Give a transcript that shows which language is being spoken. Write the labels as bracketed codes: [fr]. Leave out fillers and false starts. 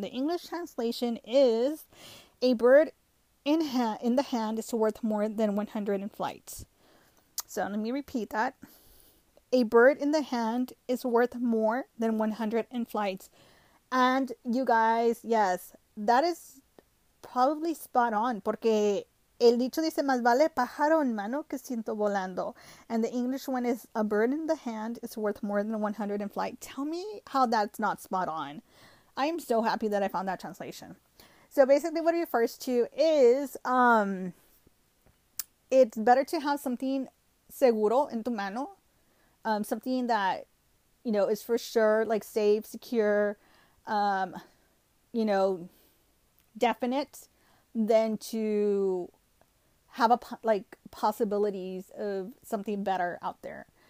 [en] The English translation is, a bird in the hand is worth more than 100 in flight. So let me repeat that. A bird in the hand is worth more than 100 in flights. And you guys, yes, that is probably spot on, porque [es] El dicho dice, más vale pájaro en mano que ciento volando. [en] And the English one is, a bird in the hand is worth more than 100 in flight. Tell me how that's not spot on. I am so happy that I found that translation. So basically what it refers to is, it's better to have something [es] seguro en tu mano, [en] something that, is for sure, like safe, secure, definite, than to have a like possibilities of something better out there.